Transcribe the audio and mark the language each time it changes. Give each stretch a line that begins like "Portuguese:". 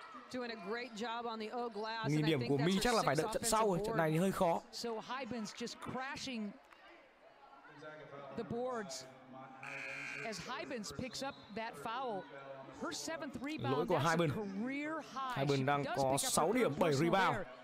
Vietnamese: 1.000 điểm của Mi chắc là phải đợi trận sau rồi. Trận này thì hơi khó.
English: So Hybun's just crashing the boards as Hybun's picks up that foul. Her seventh rebound.
Vietnamese: Lỗi của Hybun. Hybun đang có 6 điểm, 7 rebound.